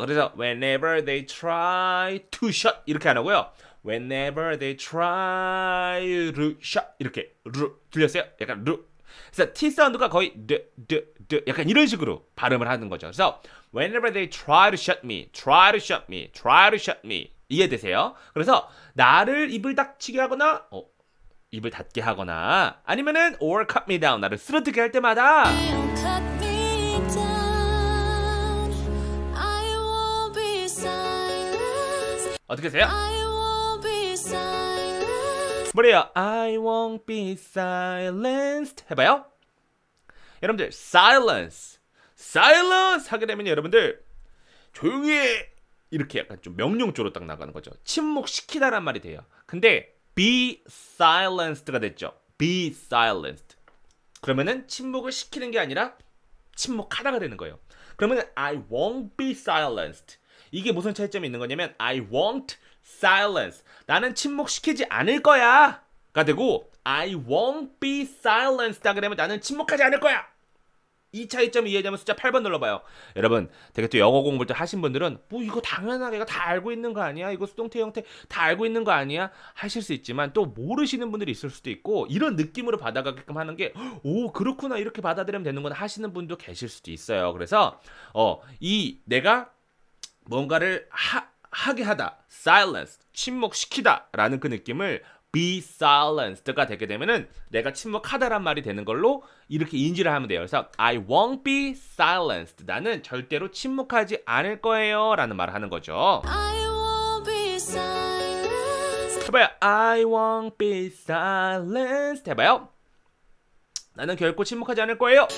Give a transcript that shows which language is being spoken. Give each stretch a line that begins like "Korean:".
English: 그래서 whenever they try to shut
Korean: 이렇게 안 하고요.
English: whenever they try to shut
Korean: 이렇게 루 들렸어요. 약간 루. 그래서 t 사운드가 거의 드 약간 이런 식으로 발음을 하는 거죠.
English: 그래서 whenever they try to shut me, try to shut me, try to shut me.
Korean: 이해되세요? 그래서 나를 입을 닥치게 하거나 입을 닫게 하거나 아니면은
English: or cut me down
Korean: 나를 쓰러뜨게 할 때마다
English: cut me down. I won't be silent.
Korean: 어떻게 하세요?
English: I won't be silent.
Korean: 뭐래요?
English: I won't be silenced
Korean: 해봐요. 여러분들 silence silence 하게 되면 여러분들 조용히 해. 이렇게 약간 좀 명령조로 딱 나가는 거죠. 침묵시키다란 말이 돼요. 근데 be silenced가 됐죠.
English: be silenced.
Korean: 그러면은 침묵을 시키는 게 아니라 침묵하다가 되는 거예요.
English: 그러면은 I won't be silenced.
Korean: 이게 무슨 차이점이 있는 거냐면
English: I won't silence.
Korean: 나는 침묵시키지 않을 거야. 가 되고
English: I won't be silenced.
Korean: 하게 되면 나는 침묵하지 않을 거야. 이 차이점이 이해되면 숫자 8번 눌러봐요. 여러분 되게 또 영어 공부를 또 하신 분들은 뭐 이거 당연하게 다 알고 있는 거 아니야? 이거 수동태 형태 다 알고 있는 거 아니야? 하실 수 있지만 또 모르시는 분들이 있을 수도 있고 이런 느낌으로 받아가게끔 하는 게 오 그렇구나 이렇게 받아들이면 되는구나 하시는 분도 계실 수도 있어요. 그래서 이 내가 뭔가를 하게 하다, silence, 침묵시키다 라는 그 느낌을 be silenced 가 되게 되면은 내가 침묵하다란 말이 되는 걸로 이렇게 인지를 하면 돼요.
English: 그래서 I won't be silenced.
Korean: 나는 절대로 침묵하지 않을 거예요 라는 말을 하는 거죠.
English: I won't be silenced.
Korean: 해봐요.
English: I won't be silenced.
Korean: 해봐요. 나는 결코 침묵하지 않을 거예요.